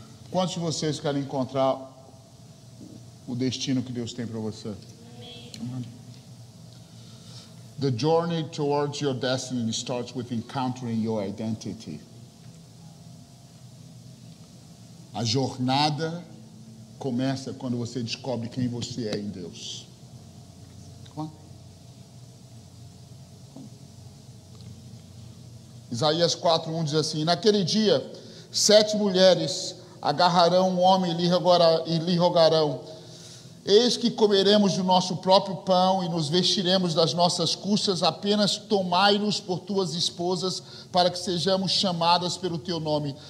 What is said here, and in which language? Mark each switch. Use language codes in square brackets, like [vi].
[pt] Quantos de vocês querem encontrar o destino que Deus tem para você? Amém. [en] The journey towards your destiny starts with encountering your identity. [pt] A jornada começa quando você descobre quem você é em Deus. Isaías 4:1 diz assim: naquele dia, sete mulheres agarrarão um homem e lhe rogarão: eis que comeremos do nosso próprio pão e nos vestiremos das nossas custas, apenas tomai-nos por tuas esposas, para que sejamos chamadas pelo teu nome.